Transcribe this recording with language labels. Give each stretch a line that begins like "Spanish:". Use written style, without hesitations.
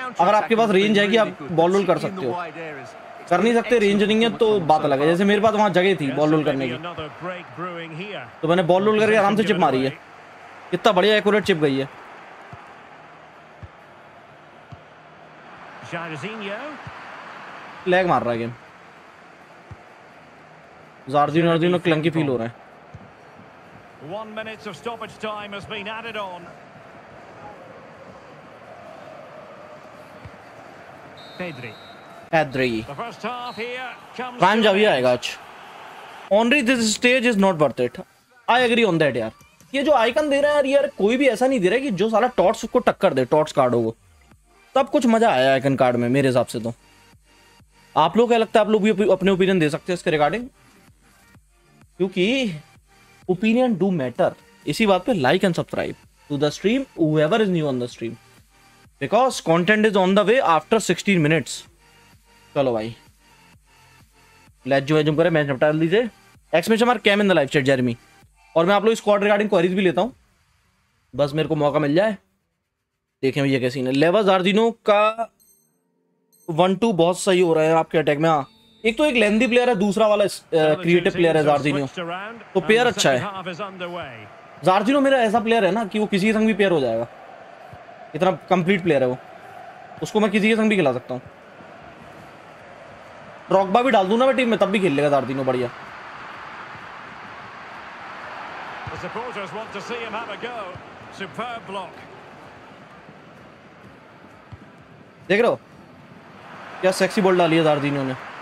Hindi: अगर आपके पास रेंज है कि आप बॉल रोल कर सकते हो, कर नहीं सकते रेंज नहीं है तो बात अलग है. जैसे मेरे पास वहाँ जगह थी बॉल रोल करने की, तो मैंने बॉल रोल करके आराम से चिप मारी है. कितना बढ़िया एक्यूरेट चिप गई है. लैग मार रहा है गेम. Jairzinho और दिनों क्लंकी फील हो रहे हैं.
English: 1 minute of stoppage time has been added on. Pedri. Pedri. The first half here comes.
Hindi: Prime जब ही आएगा आज.
English: Only this stage is not worth it. I agree on that यार.
Hindi: ये जो आइकन दे रहे हैं यार, कोई भी ऐसा नहीं दे रहा कि जो साला टॉट्स को टक्कर दे, टॉट्स कार्डों को. तब कुछ मजा आया आइकन कार्ड में मेरे हिसाब से तो. आप लोग क्या लगता है, आप लोग भी अपने ओपिनियन दे सकते हैं इसके रिगार्डिंग, क्योंकि
English: Opinion do matter.
Hindi: इसी बात पे
English: Like and subscribe to the stream, whoever is new on the stream, because content is on the way after 16 minutes.
Hindi: चलो भाई लेट्स जो है जुम करें, मैच निपटा दीजिए.
English: exclamation mark came in the live chat
Hindi: जर्मी. और मैं आप लोग स्क्वाड रिगार्डिंग क्वेरीज भी लेता हूँ, बस मेरे को मौका मिल जाए. देखें भैया कैसी है. लेवा Jairzinho का 1-2 बहुत सही हो रहा है आपके अटैक में. हाँ, एक तो एक लेंथी प्लेयर है, दूसरा वाला क्रिएटिव प्लेयर है Jairzinho, तो पेयर अच्छा है. Jairzinho मेरा ऐसा प्लेयर है ना कि वो किसी के संग भी पेयर हो जाएगा, इतना कंप्लीट प्लेयर है वो. उसको मैं किसी के संग भी खिला सकता हूँ. ड्रॉगबा भी डाल दूँ ना मैं टीम में, तब भी खेल लेगा Jairzinho बढ़िया.
English: The supporters want to see him have a go. Superb block.
Hindi: देख रहे हो क्या सेक्सी बॉल डाली है दार्दिनो ने.